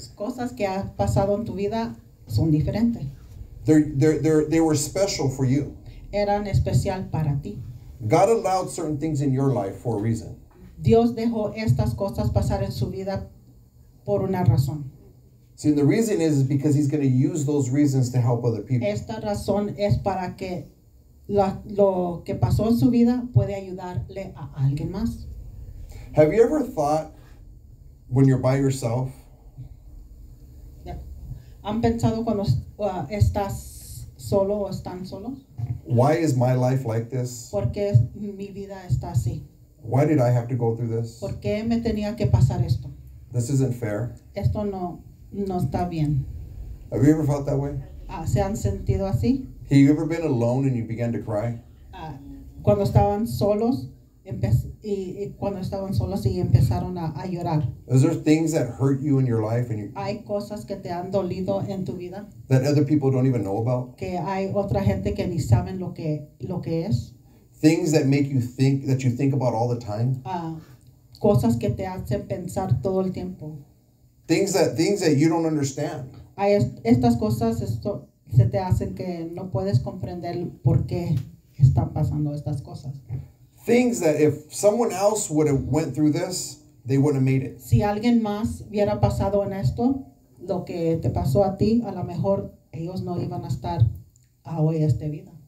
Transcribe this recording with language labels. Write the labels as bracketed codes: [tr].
[es] Las cosas que has pasado en tu vida son diferentes. [en] They were special for you. [es] Eran especial para ti. [en] God allowed certain things in your life for a reason. [es] Dios dejó estas cosas pasar en su vida por una razón. [en] See, and the reason is because he's going to use those reasons to help other people. [es] Esta razón es para que lo que pasó en su vida puede ayudarle a alguien más. [en] Have you ever thought when you're by yourself? Yeah. [es] ¿Han pensado cuando estás solo o están solos? [en] Why is my life like this? [es] ¿Por qué mi vida está así? [en] Why did I have to go through this? [es] ¿Por qué me tenía que pasar esto? [en] This isn't fair. [es] Esto no está bien. [en] Have you ever felt that way? [es] ¿Se han sentido así? [en] Have you ever been alone and you began to cry? [es] Cuando estaban solos, cuando estaban solos y empezaron a llorar. [en] Is there things that hurt you in your life? [es] Hay cosas que te han dolido en tu vida. [en] That other people don't even know about. [es] Que hay otra gente que ni saben lo que es. [en] Things that make you think, that you think about all the time. [es] Cosas que te hacen pensar todo el tiempo. [en] Things that you don't understand. [es] Hay estas cosas, esto se te hacen que no puedes comprender por qué están pasando estas cosas. [en] Things that if someone else would have went through this, they wouldn't have made it. [es] Si alguien más hubiera pasado en esto, lo que te pasó a ti, a lo mejor ellos no iban a estar hoy este día.